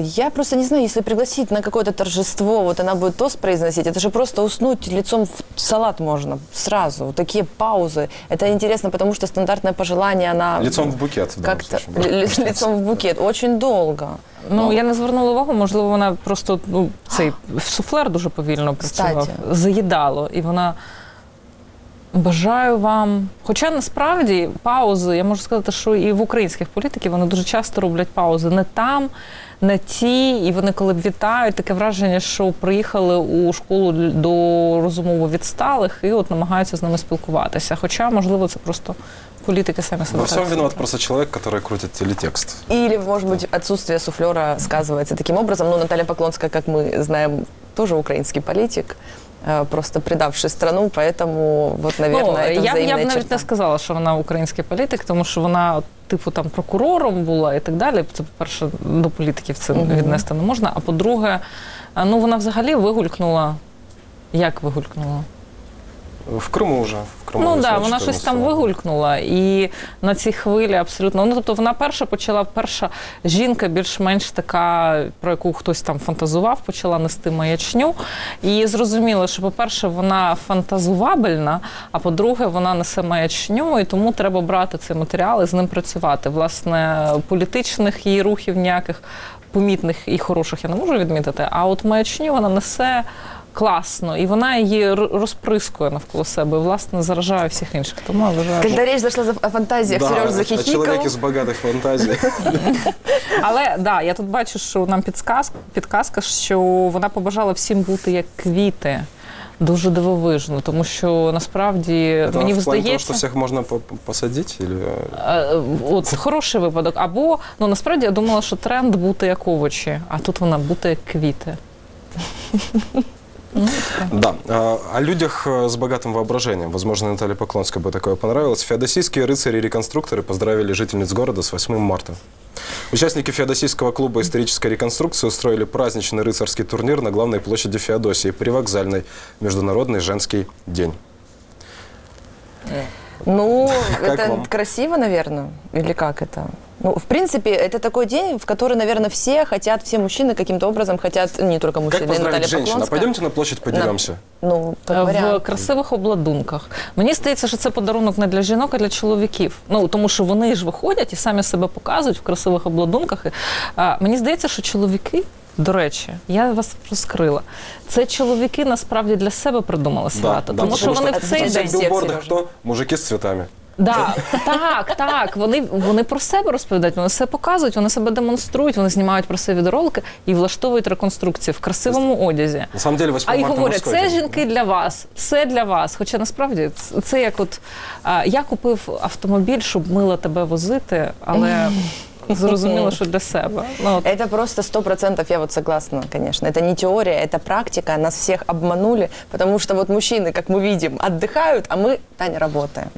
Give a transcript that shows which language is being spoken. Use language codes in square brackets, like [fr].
[ru] Я просто не знаю, если пригласить на какое-то торжество, вот она будет тост произносить, это же просто уснуть лицом в салат можно сразу. Вот такие паузы. Это интересно, потому что стандартное пожелание, она... Лицом в букет. Как-то лицом в букет. Очень долго. [uk] Ну, я не звернула увагу, можливо, вона просто, ну, цей суфлер дуже повільно працював, заїдало, і вона... Бажаю вам. Хоча насправді паузи, я можу сказати, що і в українських політиків вони дуже часто роблять паузи не там, не ті, і вони коли б вітають, таке враження, що приїхали у школу до розумово відсталих і от намагаються з ними спілкуватися. Хоча, можливо, це просто політики самі себе. Во всьому виноват просто чоловік, який крутить телетекст. [ru] Ілі, може бути, відсутствие суфлера сказується таким образом. [uk] Ну, Наталя Поклонська, як ми знаємо, теж український політик. [ru] Просто предавши страну, поэтому вот, наверное, это взаимная черта. [uk] Я бы навіть не сказала, що вона український політик, тому що вона типу там прокурором була і так далі. Це, по-перше, до політиків це віднести не можна. А по-друге, ну вона взагалі вигулькнула. Як вигулькнула? В Криму вже. Ну так, вона щось там вигулькнула. І на цій хвилі абсолютно. Ну, тобто вона перша жінка більш-менш така, про яку хтось там фантазував, почала нести маячню. І зрозуміло, що, по-перше, вона фантазувабельна, а по-друге, вона несе маячню, і тому треба брати цей матеріал і з ним працювати. Власне, політичних її рухів ніяких помітних і хороших я не можу відмітити, а от маячню вона несе класно. [ru] И она ее распрыскует около себя. И, власне, заражает всех других. [uk] Тому я вважаю. [ru] Когда речь зашла о фантазиях, да, Сережа захихикал. Человек из богатых фантазий. [uk] Але, да, я тут бачу, що нам підказка, що вона побажала всім бути як квіти. Дуже дивовижно, тому що насправді [ru] это [uk] мені здається, що всіх можна посадити, или... от хороший випадок. Або, ну, насправді я думала, що тренд бути як овочі, а тут вона бути як квіти. Да. [ru] О людях с богатым воображением. Возможно, Наталье Поклонской бы такое понравилось. Феодосийские рыцари и реконструкторы поздравили жительниц города с 8 марта. Участники феодосийского клуба исторической реконструкции устроили праздничный рыцарский турнир на главной площади Феодосии, привокзальной, Международный женский день. Ну, это красиво, наверное, или как это? Ну, в принципе, это такой день, в который, наверное, все хотят, все мужчины каким-то образом хотят, не только мужчины, Наталья Поклонская. Как поздравить женщину? Пойдемте на площадь, подеремся. Ну, в красивых обладунках. [uk] Мені здається, що це подарунок не для жінок, а для чоловіків. Ну, тому що вони ж виходять і самі себе показують в красивих обладунках. Мені здається, що чоловіки, до речі, я вас розкрила, це чоловіки насправді для себе придумали свято. Да, тому що вони в цей день... Це в білбордах хто? Мужики з цвітами. Да, так, так. Вони про себе розповідають, вони все показують, вони себе демонструють, вони знімають про себе відеоролики і влаштовують реконструкцію в красивому одязі. [ru] На самом деле, 8 [uk] марта і говорять, це жінки для вас, все для вас. Хоча насправді це як от я купив автомобіль, щоб мило тебе возити, але зрозуміло, що для себе. Ну, от. [ru] Это просто 100%, я вот согласна, конечно. Это не теория, это практика. Нас всех обманули, потому что вот мужчины, как мы видим, отдыхают, а мы, Таня, работаем.